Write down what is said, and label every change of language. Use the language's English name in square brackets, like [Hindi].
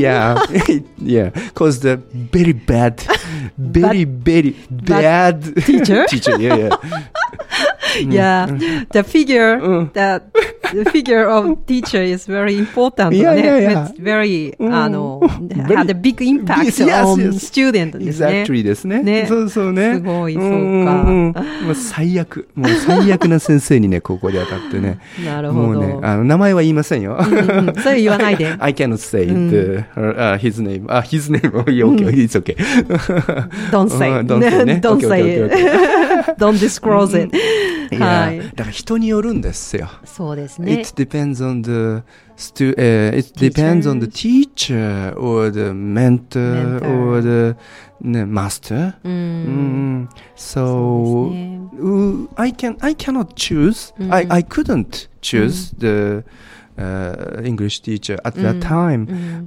[English] Yeah. Cause the very bad, very bad teacher. Teacher. Yeah. Yeah. The figure that the figure of teacher is very important. Yeah. It's very, had a big impact on student. Exactly. [Japanese] ですね。ね。そうそうね。すごい、そうか。もう最悪、もう最悪な先生にね、高校で当たってね。なるほど。もうね、名前は言いませんよ。それ言わないで。 [English] I cannot say his name. あ、his name. Okay, it's okay. Don't say. Don't say. Don't say. Don't disclose it. [Japanese] はい。だから人によるんですよ。そうですね。 [English] It depends on the it depends on the teacher or the mentor or the master. So I cannot choose. I couldn't choose the English teacher at that time.